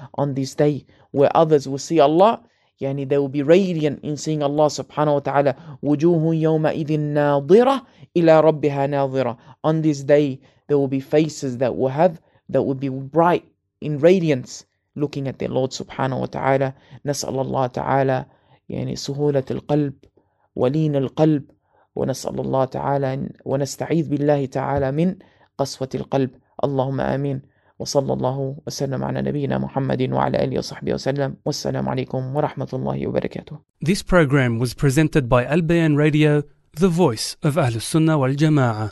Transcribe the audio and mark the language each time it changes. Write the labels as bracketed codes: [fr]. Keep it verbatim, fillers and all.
[en] On this day where others will see Allah, yani they will be radiant in seeing Allah subhanahu wa ta'ala. [ar] وُجُوهٌ يَوْمَئِذٍ نَاظِرَةٌ إِلَى رَبِّهَا نَاظِرَةٌ. [en] On this day there will be faces that will have, that will be bright in radiance, looking at their Lord subhanahu wa ta'ala. [ar] نسأل الله تعالى يعني سهولة القلب ولين القلب, ونسأل الله تعالى ونستعيذ بالله تعالى من قسوة القلب. اللهم آمين. وصلى الله وسلم على نبينا محمد وعلى آله وصحبه وسلم. والسلام عليكم ورحمة الله وبركاته. [en] This program was presented by Al Bayan Radio, the voice of Ahlus Sunnah wal Jama'ah.